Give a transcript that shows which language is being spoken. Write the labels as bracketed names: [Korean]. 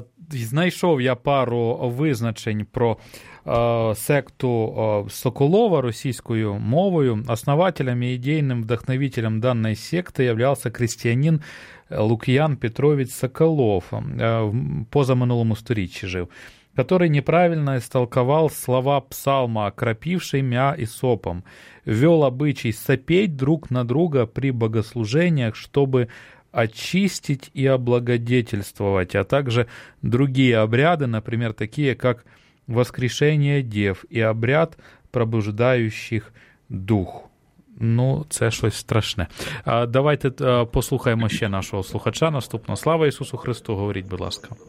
[Ukrainian] Знайшов я пару визначень про секту Соколова російською мовою. Основателем і ідейним вдохновителем даної секти являвся християнин Лук'ян Петрович Соколов. В позаминулому сторіччі жив, [Russian] который неправильно истолковал слова псалма «окропивший мя и сопом», вел обычай сопеть друг на друга при богослужениях, чтобы очистить и облагодетельствовать, а также другие обряды, например, такие как воскрешение дев и обряд пробуждающих дух. [Ukrainian] Ну, це щось страшне. Давайте послухаємо ще нашого слухача наступно. Слава Ісусу Христу, говоріть, будь ласка.